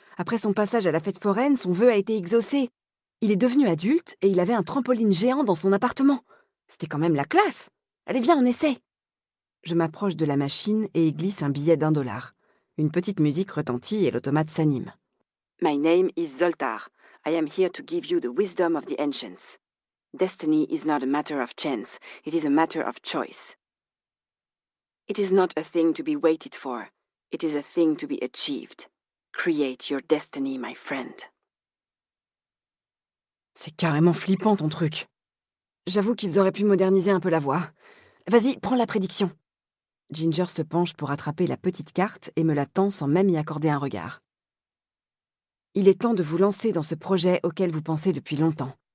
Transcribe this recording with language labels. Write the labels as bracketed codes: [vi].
[fr] Après son passage à la fête foraine, son vœu a été exaucé. Il est devenu adulte et il avait un trampoline géant dans son appartement. C'était quand même la classe. Allez, viens, on essaie !» Je m'approche de la machine et y glisse un billet d'$1. Une petite musique retentit et l'automate s'anime. [en] « My name is Zoltar. I am here to give you the wisdom of the ancients. Destiny is not a matter of chance. It is a matter of choice. It is not a thing to be waited for. It is a thing to be achieved. Create your destiny, my friend. » [fr] C'est carrément flippant, ton truc. J'avoue qu'ils auraient pu moderniser un peu la voix. Vas-y, prends la prédiction. Ginger se penche pour attraper la petite carte et me la tend sans même y accorder un regard. Il est temps de vous lancer dans ce projet auquel vous pensez depuis longtemps.